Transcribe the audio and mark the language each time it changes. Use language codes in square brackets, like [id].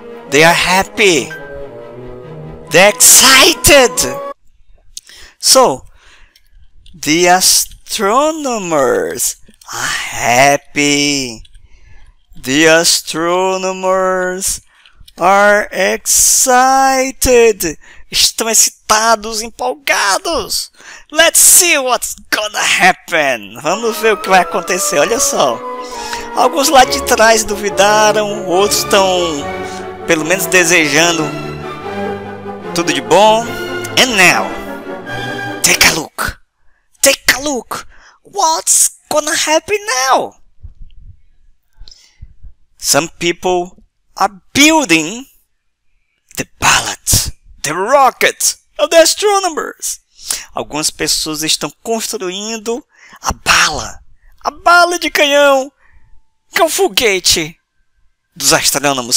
[en] They are happy. They're excited. So, the astronomers are happy. The astronomers are excited. [pt] Estão excitados, empolgados. [en] Let's see what's gonna happen. [pt] Vamos ver o que vai acontecer. Olha só. Alguns lá de trás duvidaram. Outros estão, pelo menos, desejando tudo de bom. [en] And now, take a look. Take a look. What's gonna happen now? Some people are building the ballot, the rocket of the astronomers. [pt] Algumas pessoas estão construindo a bala de canhão, que é o foguete dos astrônomos.